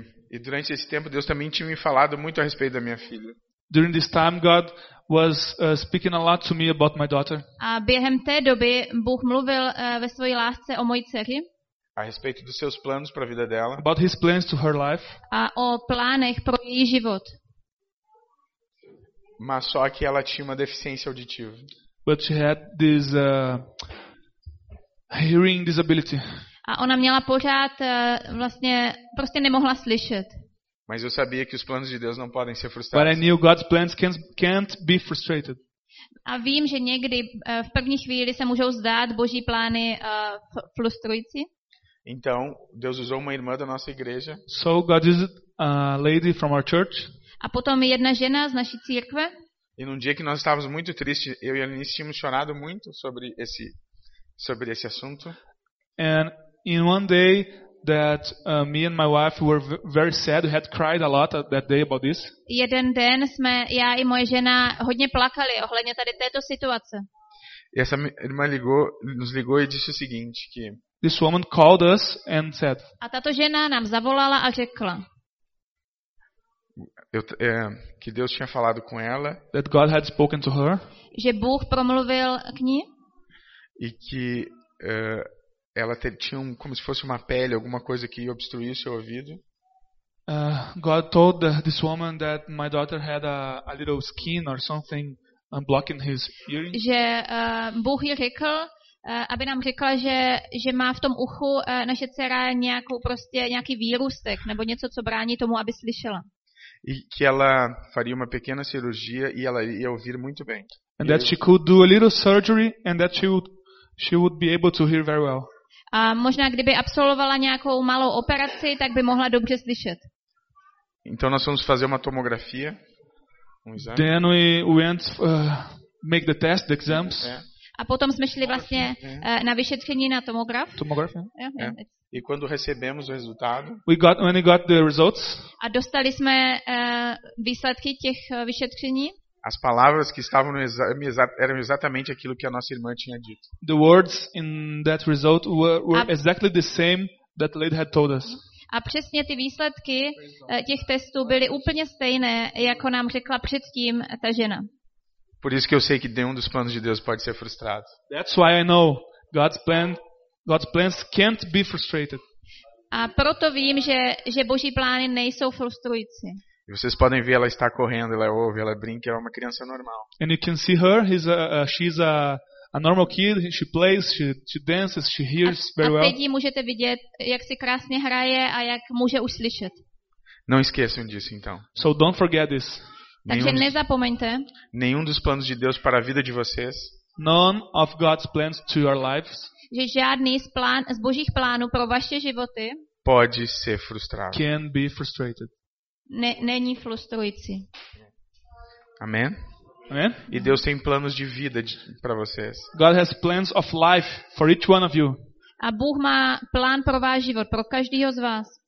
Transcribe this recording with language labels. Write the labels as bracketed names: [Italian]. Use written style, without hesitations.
[Portuguese] E durante esse tempo Deus também tinha me falado muito a respeito da minha filha. [English] During this time God was speaking a lot to me about my daughter. [Czech] A během té doby Bůh mluvil ve své lásce o mojí dceři. [Portuguese] A respeito dos seus planos para a vida dela. [English] About his plans to her life. [Czech] A o plánech pro její život. [Portuguese] Mas só que ela tinha uma deficiência auditiva. [English] But she had this hearing disability. [Czech] A ona měla pořád vlastně prostě nemohla slyšet. [Portuguese] Mas eu sabia que os planos de Deus não podem ser frustrados. [English] But I knew God's plans can't be frustrated. [Czech] A vím, že někdy v první chvíli se můžou zdát Boží plány frustrující. [Portuguese] Então, Deus usou uma irmã da nossa igreja. [English] So God used a lady from our church. [Czech] A potom jedna žena z naší církve. [Portuguese] E num dia que nós estávamos muito tristes, eu e a Anice tínhamos chorado muito sobre esse assunto. [English] And in one day that me and my wife were very sad, we had cried a lot that day about this. [Czech] Jeden den jsme já i moje žena hodně plakali ohledně tady této situace. [Portuguese] E essa irmã nos ligou e disse o seguinte que [English] this woman called us and said. [Czech] A tato žena nám zavolala a řekla. [Portuguese] Que Deus tinha falado com ela. [English] That God had spoken to her. [Czech] Že Bůh promluvil k ní. [Portuguese] E que ela tinha como se fosse uma pele, alguma coisa que obstruía seu ouvido. [English] God told this woman that my daughter had a little skin or something blocking his hearing. [Czech] Že Bůh jí řekl, aby nám řekla, že má v tom uchu naše dcera nějakou prostě nějaký výrůstek nebo něco, co brání tomu, aby slyšela. [Portuguese] E que ela faria uma pequena cirurgia e ela ia ouvir muito bem. [English] And that she could do a little surgery and that she would be able to hear very well. [Czech] A možná kdyby absolvovala nějakou malou operaci, tak by mohla dobře slyšet. [Portuguese] Então nós fomos fazer uma tomografia. Exame. [English] Then we went make the test, the exams. [Czech] A potom jsme šli vlastně na vyšetření na tomograf. [Portuguese] E quando recebemos o resultado? [English] When we got the results. [Czech] A dostali jsme výsledky těch vyšetření. [Portuguese] As palavras que estavam no exame eram exatamente aquilo que a nossa irmã tinha dito. [English] The words in that result were exactly the same that the lady had told us. [Czech] A přesně ty výsledky těch testů byly úplně stejné, jako nám řekla předtím ta žena. [Portuguese] Por isso que eu sei que nenhum dos planos de Deus pode ser frustrado. [English] That's why I know God's plans can't be frustrated. [Czech] A proto vím, že Boží plány nejsou frustrující. [Portuguese] E vocês podem ver, ela está correndo, ela ouve, ela brinca, ela é uma criança normal. [English] And you can see her, she's a normal kid, she plays, she dances, she hears very well. [Czech] A teď můžete vidět, jak si krásně hraje a jak může už slyšet. [Portuguese] Não esqueçam disso, então. [English] So don't forget this. [Czech] Takže nezapomeňte. [Portuguese] Nenhum dos planos de Deus para a vida de vocês. [English] None of God's plans to your lives. [Czech] Že žádný z Božích plánů pro vaše životy [Portuguese] pode ser frustrado. [English] Can be frustrated. [Czech] Není frustrující. Amen. Amen. [Portuguese] E Deus tem planos de vida para vocês. [English] God has plans of life for each one of you. [Czech] A Bůh má plán pro váš život, pro každého z vás.